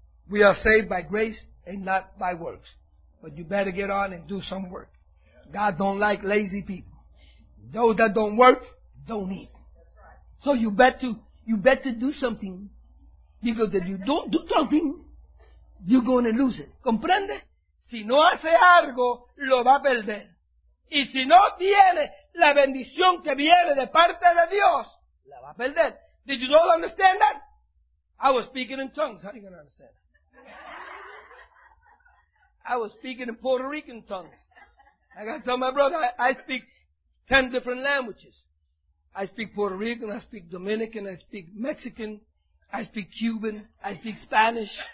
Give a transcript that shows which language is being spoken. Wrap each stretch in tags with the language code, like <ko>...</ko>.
<en>We are saved by grace and not by works. But you better get on and do some work. God don't like lazy people. Those that don't work, don't eat. So you better do something. Because if you don't do something, you're going to lose it.</en> <es>¿Comprende? Si no hace algo, lo va a perder. Y si no tiene la bendición que viene de parte de Dios, la va a perder.</es> <en>Did you all understand that? I was speaking in tongues. How are you going to understand that? I was speaking in Puerto Rican tongues. I got to tell my brother, I speak 10 different languages. I speak Puerto Rican, I speak Dominican, I speak Mexican, I speak Cuban, I speak Spanish.</en>